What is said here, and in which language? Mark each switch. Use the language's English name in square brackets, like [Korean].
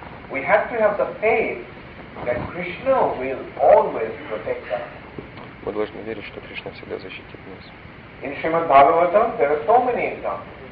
[English] We have to have the faith that Krishna will always protect us. [Russian] Мы должны верить, что Кришна всегда защитит нас. [English] In Shrimad Bhagavatam there are so many examples.